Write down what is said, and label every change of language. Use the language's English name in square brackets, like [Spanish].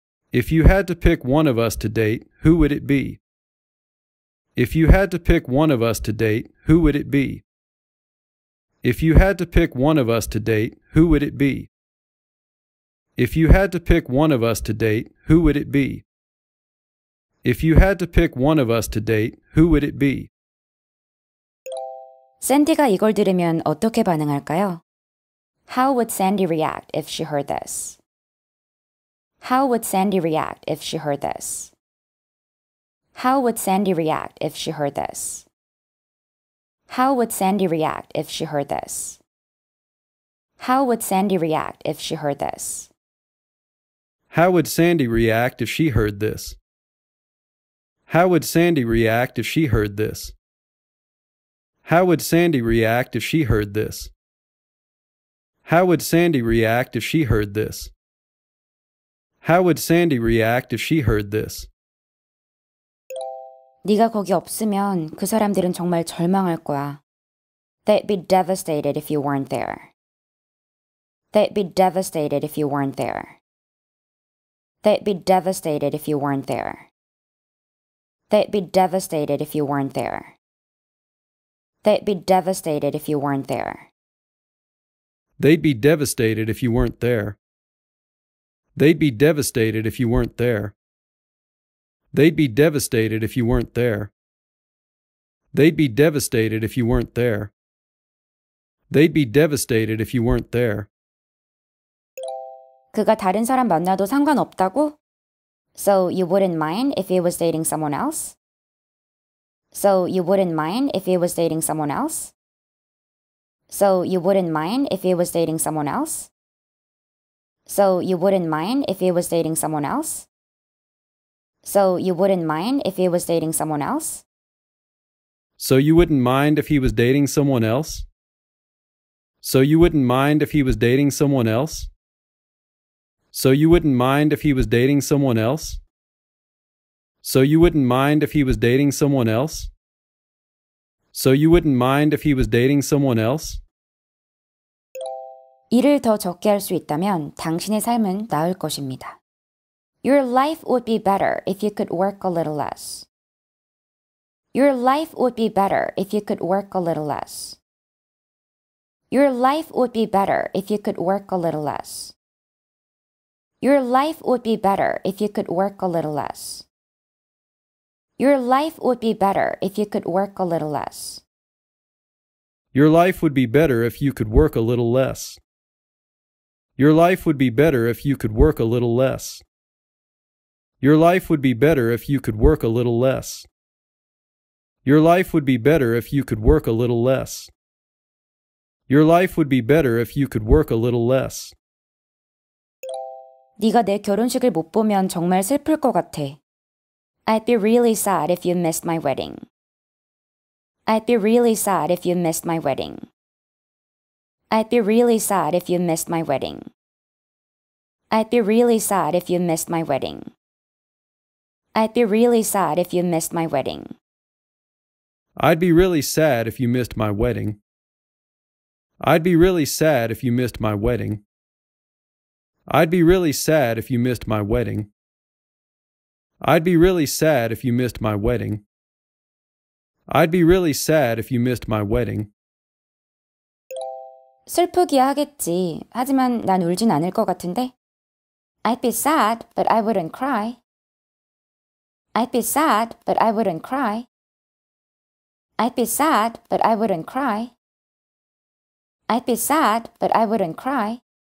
[English] If you had to pick one of us to date, who would it be? If you had to pick one of us to date, who would it be? If you had to pick one of us to date, who would it be? If you had to pick one of us to date, who would it be? If you had to pick one of us to date, who would it be? [Korean] 샌디가 이걸 들으면 어떻게 반응할까요? [English] How would Sandy react if she heard this? How would Sandy react if she heard this? How would Sandy react if she heard this? How would Sandy react if she heard this? How would Sandy react if she heard this? How would Sandy react if she heard this? How would Sandy react if she heard this? How would Sandy react if she heard this? How would Sandy react if she heard this? How would Sandy react if she heard this? [Korean] 네가 거기 없으면 그 사람들은 정말 절망할 거야. [English] They'd be devastated if you weren't there. They'd be devastated if you weren't there. They'd be devastated if you weren't there. They'd be devastated if you weren't there. They'd be devastated if you weren't there. They'd be devastated if you weren't there. They'd be devastated if you weren't there. They'd be devastated if you weren't there. They'd be devastated if you weren't there. They'd be devastated if you weren't there. [Korean] 그가 다른 사람 만나도 상관없다고? [English] So you wouldn't mind if he was dating someone else? So you wouldn't mind if he was dating someone else? So you wouldn't mind if he was dating someone else? So you wouldn't mind if he was dating someone else? So you wouldn't mind if he was dating someone else? So you wouldn't mind if he was dating someone else? So you wouldn't mind if he was dating someone else? So you wouldn't mind if he was dating someone else? So you wouldn't mind if he was dating someone else? So you wouldn't mind if he was dating someone else? [Korean] 일을 더 적게 할 수 있다면 당신의 삶은 나을 것입니다. [English] Your life would be better if you could work a little less. Your life would be better if you could work a little less. Your life would be better if you could work a little less. Your life would be better if you could work a little less. Your life would be better if you could work a little less. Your life would be better if you could work a little less. Your life would be better if you could work a little less. Your life would be better if you could work a little less. Your life would be better if you could work a little less. Your life would be better if you could work a little less. [Korean] 네가 내 결혼식을 못 보면 정말 슬플 것 같아. [English] I'd be really sad if you missed my wedding. I'd be really sad if you missed my wedding. I'd be really sad if you missed my wedding. I'd be really sad if you missed my wedding. I'd be really sad if you missed my wedding. I'd be really sad if you missed my wedding. I'd be really sad if you missed my wedding. I'd be really sad if you missed my wedding. I'd be really sad if you missed my wedding. I'd be really sad if you missed my wedding. [Korean] 슬프기야 하겠지. 하지만 난 울진 않을 것 같은데. [English] I'd be sad, but I wouldn't cry. I'd be sad, but I wouldn't cry. I'd be sad, but I wouldn't cry. I'd be sad, but I wouldn't cry.